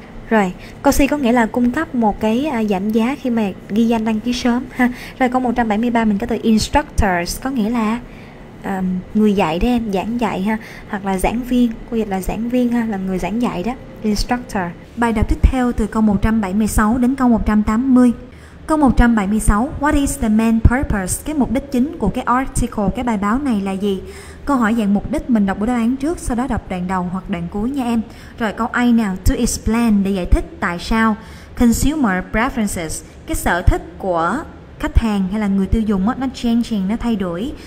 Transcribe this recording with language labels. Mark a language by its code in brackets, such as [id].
[vi] Rồi câu C có nghĩa là cung cấp một cái giảm giá khi mà ghi danh đăng ký sớm ha. Rồi câu 173 mình có từ instructors có nghĩa là người dạy đó em, giảng dạy ha, hoặc là giảng viên, cô dịch là giảng viên ha, là người giảng dạy đó, instructor. Bài đọc tiếp theo từ câu 176 đến câu 180. [en] Câu 176, what is the main purpose? [vi] Cái mục đích chính của cái article, cái bài báo này là gì? Câu hỏi dạng mục đích, mình đọc bộ đáp án trước, sau đó đọc đoạn đầu hoặc đoạn cuối nha em. Rồi câu A nào, to explain, để giải thích tại sao. Consumer preferences, cái sở thích của khách hàng hay là người tiêu dùng đó, nó changing, nó thay đổi.